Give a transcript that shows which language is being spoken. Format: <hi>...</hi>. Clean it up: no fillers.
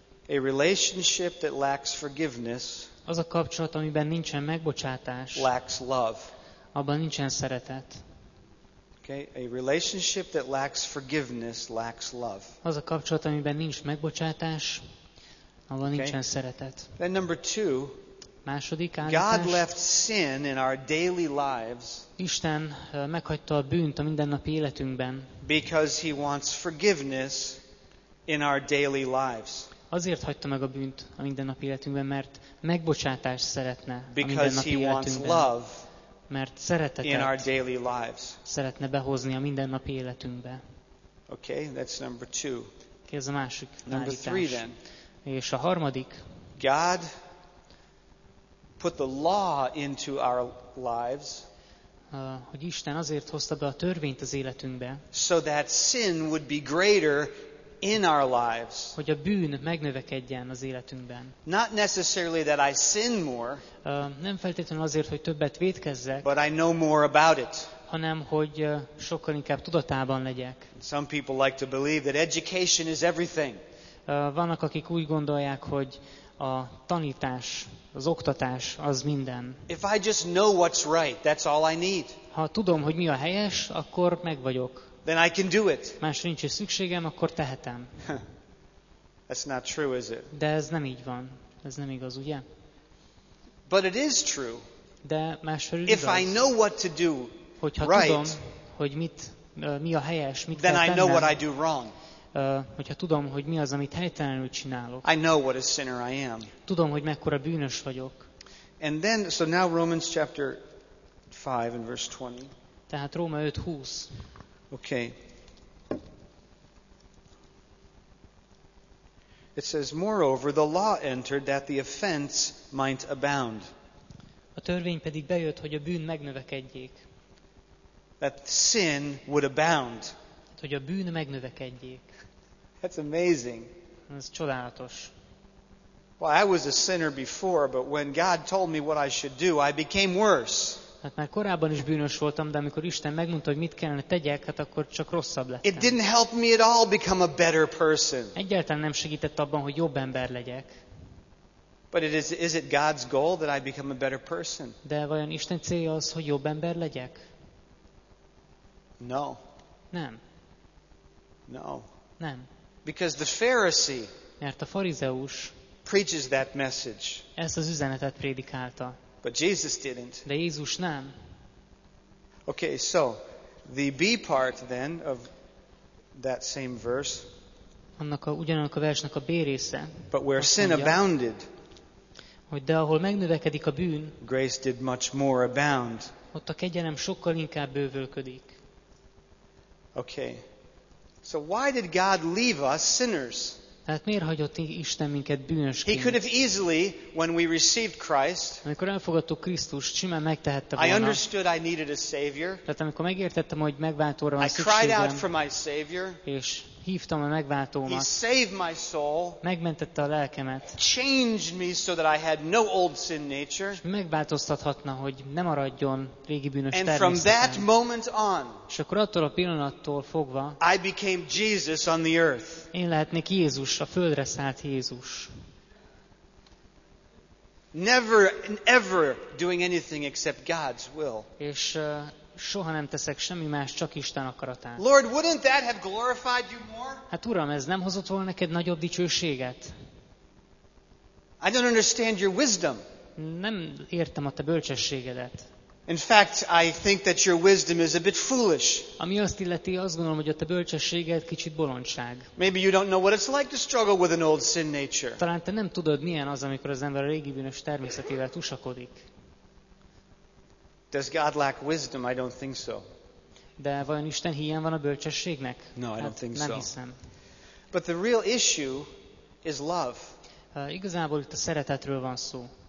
<en>A relationship that lacks forgiveness.</en> <hu>Az a kapcsolat, amiben nincsen megbocsátás.</hu> <en>Lacks love.</en> <hu>Abban nincsen szeretet.</hu> <en>Okay, a relationship that lacks forgiveness lacks love.</en> <hu>Az a kapcsolat, amiben nincs megbocsátás, abban nincsen szeretet.</hu> <en>Then number two.</en> <hu>Második állítás.</hu> <en>God left sin in our daily lives.</en> <hu>Isten meghagyta a bűnt a mindennapi életünkben.</hu> <en>Because he wants forgiveness in our daily lives.</en> <hu>Azért hagyta meg a bűnt a mindennapi életünkben, mert megbocsátást szeretne a mindennapi életünkben. Mert szeretetet szeretne behozni a mindennapi életünkbe.</hu> <en>Okay, that's number two.</en> <hu>Okay, ez a másik</hu> <en>number</en> <hu>állítás.</hu> <en>Three, then.</en> <hu>És a harmadik.</hu> <en>God put the law into our lives.</en> <hu>Hogy Isten azért hozta be a törvényt az életünkbe.</hu> <en>So that sin would be greater in our lives.</en> <hu>Hogy a bűn megnövekedjen az életünkben.</hu> <en>Not necessarily that I sin more.</en> <hu>Nem feltétlenül azért, hogy többet vétkezzek.</hu> <en>But I know more about it.</en> <hu>Hanem hogy sokkal inkább tudatában legyek.</hu> <en>Some people like to believe that education is everything.</en> <hu>Vannak, akik úgy gondolják, hogy a tanítás, az oktatás, az minden.</hu> <en>If I just know what's right, that's all I need.</en> <hu>Ha tudom, hogy mi a helyes, akkor megvagyok.</hu> <en>Then I can do it.</en> <hu>Más nincs is szükségem, akkor tehetem.</hu> <en>That's not true, is it?</en> <hu>De ez nem így van. Ez nem igaz, ugye?</hu> <en>But it is true.</en> <hu>De másfelül igaz.</hu> <en>If I know what to do,</en> <hu>hogyha</hu> <en>right,</en> <hu>tudom, hogy mit, mi a helyes, mit</hu> <en>then</en> <hu>kell tennem,</hu> <en>I know what I do wrong.</en> <hu>Hogyha tudom, hogy mi az, amit helytelenül csinálok.</hu> <en>I know what a sinner I am.</en> <hu>Tudom, hogy mekkora bűnös vagyok.</hu> <en>And then, so now Romans chapter 5 and verse 20.</en> <hu>Tehát Róma 5:20.</hu> <en>Okay. It says, moreover, the law entered that the offense might abound.</en> <hu>A törvény pedig bejött, hogy a bűn megnövekedjék.</hu> <en>That sin would abound.</en> <hu>Hogy a bűn megnövekedjék.</hu> <en>That's amazing.</en> <hu>Ez csodálatos.</hu> <en>Well, I was a sinner before, but when God told me what I should do, I became worse.</en> <hu>Hát már korábban is bűnös voltam, de amikor Isten megmondta, hogy mit kellene tegyek, hát akkor csak rosszabb lettem.</hu> <en>It didn't help me at all become a better person.</en> <hu>Egyáltalán nem segített abban, hogy jobb ember legyek.</hu> <en>But is it God's goal that I become a better person?</en> <hu>De vajon Isten célja az, hogy jobb ember legyek?</hu> <en>No.</en> <hu>Nem.</hu> <en>No.</en> <hu>Nem.</hu> <en>Because the Pharisee,</en> <hu>mert a farizeus,</hu> <en>preaches that message.</en> <hu>Ezt az üzenetet prédikálta.</hu> <en>But Jesus didn't.</en> <hu>De Jézus nem.</hu> <en>Okay, so the B part then of that same verse.</en> <hu>Ugyanannak a versnek a B része.</hu> <en>But where sin abounded,</en> <hu>hogy de ahol megnövekedik a bűn,</hu> <en>grace did much more abound.</en> <hu>Ott a kegyelem sokkal inkább bővölködik.</hu> <en>Okay, So why did God leave us sinners?</en> <hu>Tehát miért hagyott Isten minket bűnösként?</hu> <en>He could have easily, when we received Christ,</en> <hu>amikor elfogadtuk Krisztust, simán megtehette volna.</hu> <en>I understood I needed a savior.</en> <hu>Tehát amikor megértettem, hogy megváltóra van szükségem,</hu> <en>I cried out for my savior.</en> <hu>És hívtam a megváltómat.</hu> <en>He saved my soul.</en> <hu>Megmentette a lelkemet.</hu> <en>Changed me so that I had no old sin nature.</en> <hu>És megváltoztathatna, hogy ne maradjon régi bűnös természetem.</hu> <en>And from that moment on,</en> <hu>és akkor attól a pillanattól fogva,</hu> <en>I became Jesus on the earth.</en> <hu>Én lehetnék Jézus, a földre szállt Jézus.</hu> <en>Never ever doing anything except God's will.</en> <hu>És soha nem teszek semmi más, csak Isten akaratát.</hu> <en>Lord, wouldn't that have glorified you more?</en> <hu>Hát Uram, ez nem hozott volna neked nagyobb dicsőséget?</hu> <en>I don't understand your wisdom.</en> <hu>Nem értem a te bölcsességedet.</hu> <en>In fact, I think that your wisdom is a bit foolish.</en> <hu>Ami azt illeti, azt gondolom, hogy a te bölcsességed kicsit bolondság.</hu> <en>Maybe you don't know what it's like to struggle with an old sin nature.</en> <hu>Talán te nem tudod, milyen az, amikor az ember a régi bűnös természetével tusakodik.</hu> <en>Does God lack wisdom? I don't think so.</en> <hu>De vajon Isten hiány van a bölcsességnek?</hu> <en>No, I don't think</en> <hu>nem</hu> <en>so.</en> <hu>Nem hiszem.</hu> <en>But the real issue is love.</en> <hu>Igazából itt a szeretetről van szó.</hu>